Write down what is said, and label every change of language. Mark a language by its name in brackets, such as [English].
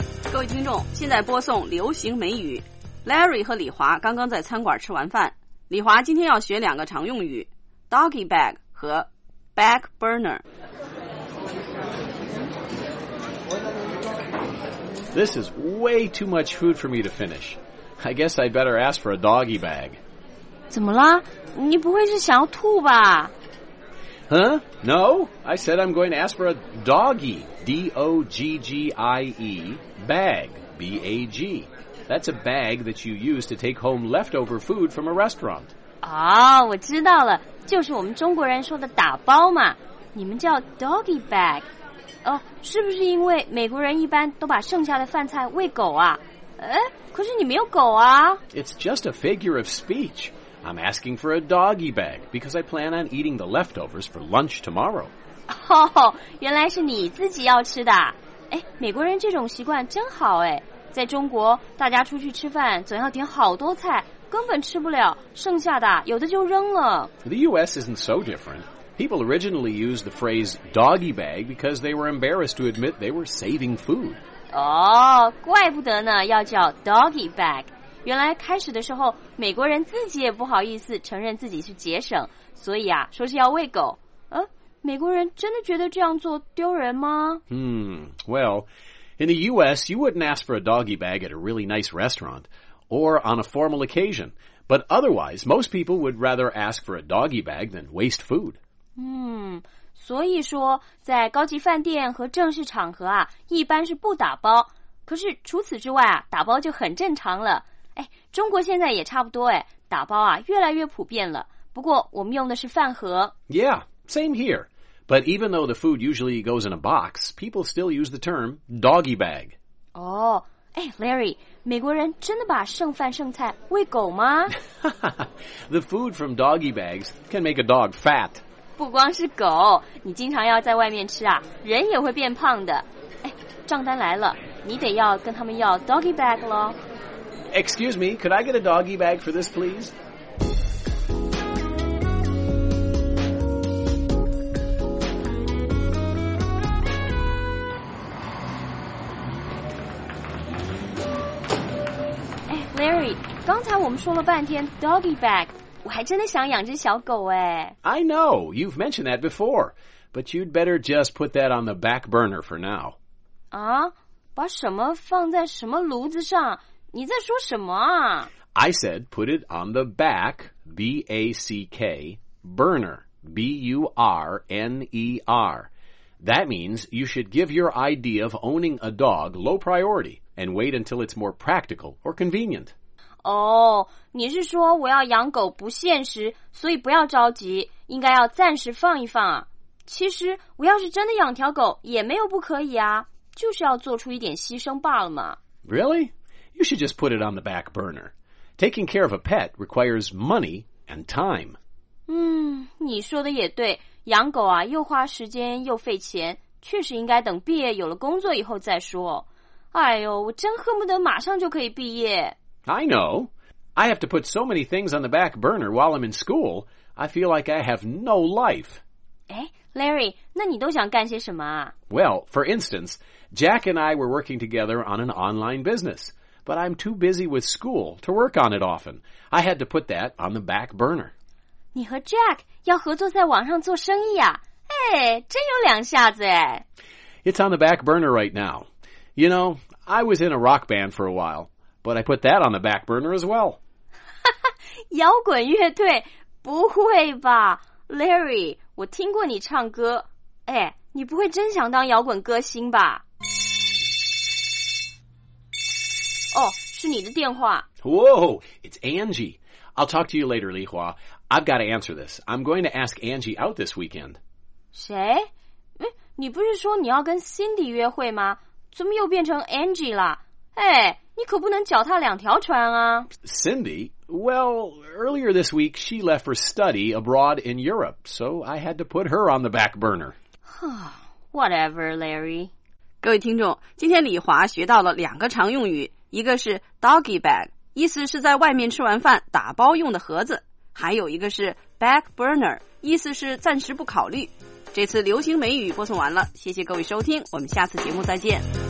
[Chinese] 各位听众，现在播送流行美语。Larry 和李华刚刚在餐馆吃完饭，李华今天要学两个常用语 doggy bag 和 back burner。 [English] This is way too much food for me to finish. I guess I'd better ask for a doggy bag. [Chinese] 怎么了？你不会是想要吐吧？ [English] Huh? No, I said I'm going to ask for a doggy, D-O-G-G-I-E, bag, B-A-G. That's a bag that you use to take home leftover food from a restaurant. [Chinese] 哦，我知道了，就是我们中国人说的打包嘛，你们叫 doggy bag. 哦，是不是因为美国人一般都把剩下的饭菜喂狗啊？诶，可是你没有狗啊。 [English] It's just a figure of speech. I'm asking for a doggy bag because I plan on eating the leftovers for lunch tomorrow. [Chinese] Oh, 原来是你自己要吃的。哎，美国人这种习惯真好哎。在中国，大家出去吃饭总要点好多菜，根本吃不了，剩下的有的就扔了。 [English] The U.S. isn't so different. People originally used the phrase doggy bag because they were embarrassed to admit they were saving food. [Chinese] Oh, 怪不得呢，要叫 doggy bag. 原来开始的时候，美国人自己也不好意思承认自己是节省，所以啊，说是要喂狗。美国人真的觉得这样做丢人吗？ [English] Well, in the U.S., you wouldn't ask for a doggy bag at a really nice restaurant or on a formal occasion. But otherwise, most people would rather ask for a doggy bag than waste food. [Chinese] 所以说，在高级饭店和正式场合啊，一般是不打包。可是除此之外啊，打包就很正常了。哎，中国现在也差不多哎，打包啊越来越普遍了。不过我们用的是饭盒。 [English] Yeah, same here. But even though the food usually goes in a box, people still use the term doggy bag. [Chinese] Oh, 哎 ，Larry， 美国人真的把剩饭剩菜喂狗吗 [English] ？The food from doggy bags can make a dog fat. [Chinese] 不光是狗，你经常要在外面吃啊，人也会变胖的。哎，账单来了，你得要跟他们要 doggy bag 咯。 [English] Excuse me, could I get a doggy bag for this, please? [Chinese] 哎 ，Larry， 刚才我们说了半天 doggy bag， 我还真的想养只小狗哎。 [English] I know you've mentioned that before, but you'd better just put that on the back burner for now. [Chinese] 啊，把什么放在什么炉子上？你在说什么啊? [English] I said put it on the back, B-A-C-K, burner, B-U-R-N-E-R. That means you should give your idea of owning a dog low priority and wait until it's more practical or convenient. [Chinese] Oh, 你是说我要养狗不现实,所以不要着急,应该要暂时放一放啊。其实我要是真的养条狗也没有不可以啊,就是要做出一点牺牲罢了嘛。 [English] Really? You should just put it on the back burner. Taking care of a pet requires money and time. [Chinese] 你说的也对，养狗啊又花时间又费钱，确实应该等毕业有了工作以后再说。哎呦，我真恨不得马上就可以毕业。 [English] I know. I have to put so many things on the back burner while I'm in school. I feel like I have no life. [Chinese] 哎 ，Larry， 那你都想干些什么啊 [English] ？Well, for instance, Jack and I were working together on an online business. But I'm too busy with school to work on it often. I had to put that on the back burner. [Chinese] 你和 Jack 要合作在网上做生意啊？哎，真有两下子哎。 [English] It's on the back burner right now. You know, I was in a rock band for a while, but I put that on the back burner as well. [Chinese] 摇滚乐队？不会吧 ，Larry？我听过你唱歌。哎，你不会真想当摇滚歌星吧？哦，是你的电话。 [English] Whoa, it's Angie. I'll talk to you later, Li Hua. I've got to answer this. I'm going to ask Angie out this weekend. [Chinese] 谁？哎，你不是说你要跟 Cindy 约会吗？怎么又变成 Angie 了？哎，你可不能脚踏两条船啊。 [English] Cindy? Well, earlier this week, she left for study abroad in Europe, so I had to put her on the back burner. Whatever, Larry. [Chinese] 各位听众，今天李华学到了两个常用语。一个是 doggy bag， 意思是在外面吃完饭打包用的盒子，还有一个是 back burner， 意思是暂时不考虑。这次流行美语播送完了，谢谢各位收听，我们下次节目再见。